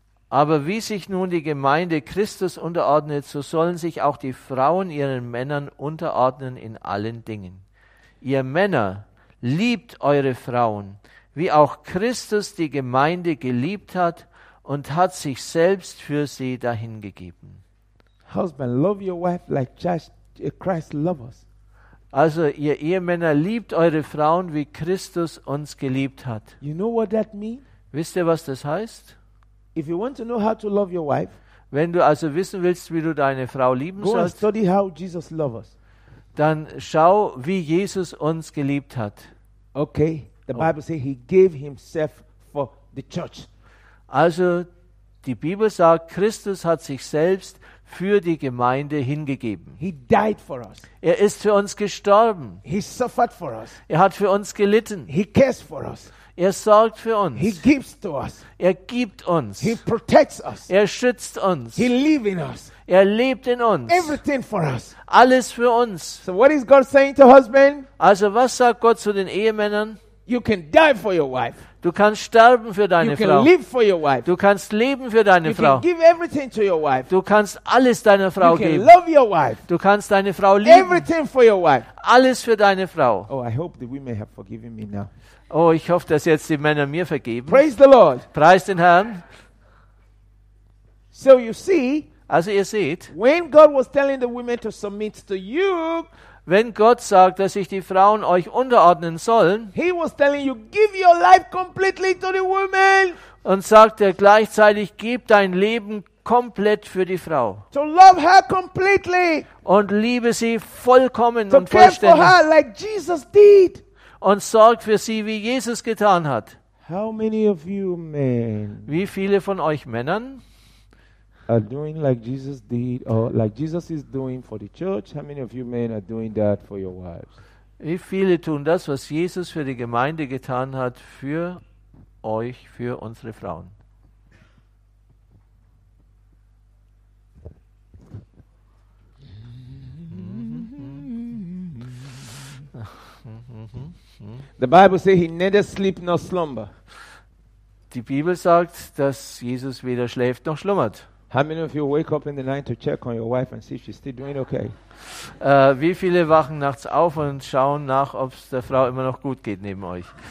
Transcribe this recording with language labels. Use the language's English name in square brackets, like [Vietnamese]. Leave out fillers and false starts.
[German] Aber wie sich nun die Gemeinde Christus unterordnet, so sollen sich auch die Frauen ihren Männern unterordnen in allen Dingen. Ihr Männer, liebt eure Frauen, wie auch Christus die Gemeinde geliebt hat und hat sich selbst für sie dahingegeben. [English] Husband, love your wife like Christ loved us. [German] Also, ihr Ehemänner, liebt eure Frauen, wie Christus uns geliebt hat. [English] You know what that means? [German] Wisst ihr, was das heißt? [English] If you want to know how to love your wife, [German] wenn du also wissen willst, wie du deine Frau lieben [English] go and study how Jesus loved us. [German] Dann schau, wie Jesus uns geliebt hat. [English] Okay, the Bible says he gave himself for the church. [German] Also, die Bibel sagt, Christus hat sich selbst für die Gemeinde hingegeben. [English] He died for us. [German] Er ist für uns gestorben. [English] He suffered for us. [German] Er hat für uns gelitten. [English] He cares for us. [German] Er sorgt für uns. [English] He gives to us. [German] Er gibt uns. [English] He protects us. [German] Er schützt uns. [English] He lives in us. [German] Er lebt in uns. [English] Everything for us. [German] Alles für uns. [English] So what is God saying to husband? [German] Also was sagt Gott zu den Ehemännern? [English] You can die for your wife. [German] Du kannst sterben für deine [English] you [German] Frau. [English] Can live for your wife. [German] Du kannst leben für deine [English] you [German] Frau. [English] Can give everything to your wife. [German] Du kannst alles deiner Frau [English] you [German] geben. [English] Can love your wife. [German] Du kannst deine Frau lieben. [English] Everything for your wife. [German] Alles für deine Frau. [English] Oh, I hope that we may have forgiven me now. [German] Oh, ich hoffe, dass jetzt die Männer mir vergeben. [English] Praise the Lord. [German] Preist den Herrn. [English] So you see, [German] also ihr seht, [English] when God was telling the women to submit to you, [German] wenn Gott sagt, dass sich die Frauen euch unterordnen sollen, [English] he was telling you, give your life completely to the woman. [German] Und sagt er gleichzeitig, gib dein Leben komplett für die Frau. [English] To love her completely. [German] Und liebe sie vollkommen [English] to [German] und vollständig. [English] Care for her like Jesus did. [German] Und sorgt für sie, wie Jesus getan hat. [English] How many of you men? [German] Wie viele von euch Männern? [English] Are doing like Jesus did, or like Jesus is doing for the church. How many of you men are doing that for your wives? [German] Wie viele tun das, was Jesus für die Gemeinde getan hat, für euch, für unsere Frauen? [English] The Bible says he neither sleep nor slumber. [German] Die Bibel sagt, dass Jesus weder schläft noch schlummert. [English] How many of you wake up in the night to check on your wife and see if she's still doing okay? [German] Wie viele wachen nachts auf und schauen nach, ob es der Frau immer noch gut geht neben euch?